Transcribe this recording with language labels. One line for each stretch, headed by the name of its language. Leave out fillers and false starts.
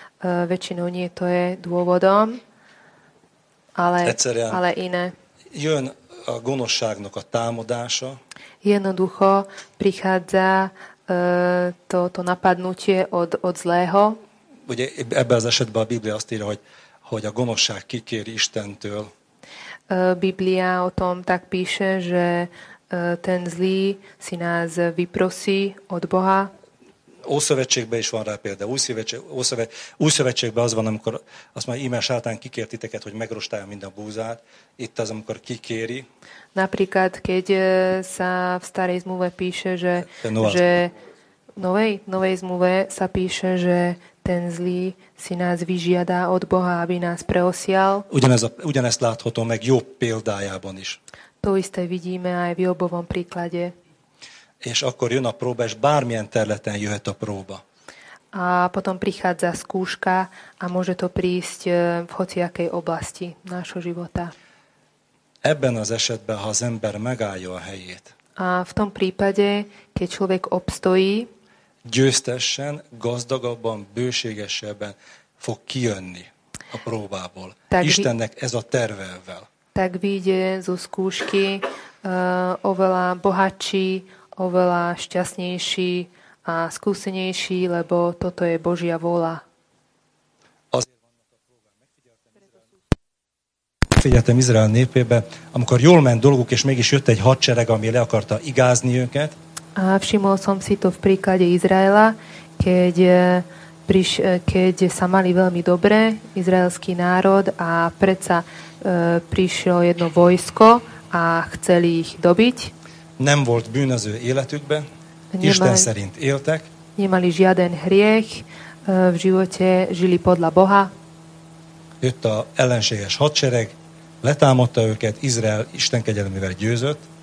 Slovak: Väčšinou nie to je dôvodom, ale iné.
Hungarian: Jön a gonoszságnak a támadása.
Slovak: Jednoducho prichádza to napadnutie od zlého.
Hungarian: Ugye ebben az esetben a Biblia azt írja, hogy a gonoszság kikéri Istentől.
Slovak: Biblia o tom tak píše, že ten zlý si nás vyprosí od Boha.
Hungarian: Ószövetségben is van rá példa. Újszövetségben az van, amikor azt mondja, íme Sátán kikér titeket, hogy megrostálja minden búzát. Itt az, amikor kikéri.
Slovak: Napríklad, keď sa v starej zmluve píše, že novej zmluve sa píše, že ten zlý si nás vyžiada od Boha, aby nás preosial.
Hungarian: Ugyanezt látható meg Jobb példájában is.
Slovak: To isté vidíme aj v Jobovom príklade.
Hungarian: És akkor jön a próba, és bármilyen területen jöhet a próba.
Slovak: A potom prichádza skúška a môže to prísť v hociakej oblasti nášho života.
Hungarian: Ebben az esetben, ha az ember megállja a helyét.
Slovak: A v tom prípade, keď človek obstojí,
Hungarian: győztesen, gazdagabban, bőségesebben fog kijönni a próbából. Istennek ez a tervevel.
Slovak: Tak vyjde zo skúšky oveľa bohatší, oveľa šťastnejší a skúsenejší, lebo toto je Božia vôľa.
Hungarian: Figyeltem Izrael népébe, amikor jól ment dolguk, és mégis jött egy hadsereg, ami le akarta igázni őket.
Slovak: A všimol som si to v príklade Izraela, keď sa mali veľmi dobre, izraelský národ, a predsa prišlo jedno vojsko a chceli ich dobiť.
Hungarian: Nem volt bűnöző életükbe, Isten szerint éltek.
Slovak: Nemali žiaden hriech, v živote žili podľa Boha.
Hungarian: Jött a ellenséges hadsereg, letámadta őket, Izrael Isten kegyelmével győzött.